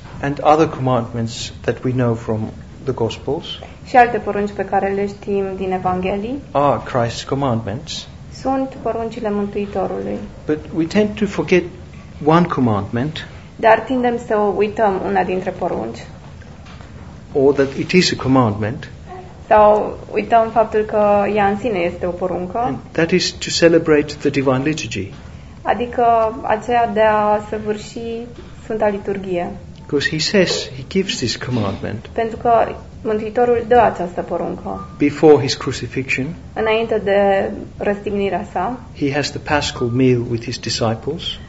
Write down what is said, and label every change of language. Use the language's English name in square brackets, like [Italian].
[English] and other commandments that we know from the Gospels, [Romanian] și alte porunci pe care le știm din Evanghelii, [English] are Christ's commandments, [Romanian] sunt poruncile Mântuitorului. [English] But we tend to forget one commandment, [Romanian] dar tindem să uităm una dintre porunci, [English] or that it is a commandment, [Romanian] sau uităm faptul că ea în sine este o poruncă. [English] And that is to celebrate the divine liturgy. [Romanian] Adică aceea de a săvârși Sfânta Liturghie. [English] Because he says, he gives this commandment. [Romanian] Pentru că Mântuitorul dă această poruncă. [English] Before his crucifixion. [Romanian] Înainte de răstignirea sa. [English] He has the paschal meal with his disciples.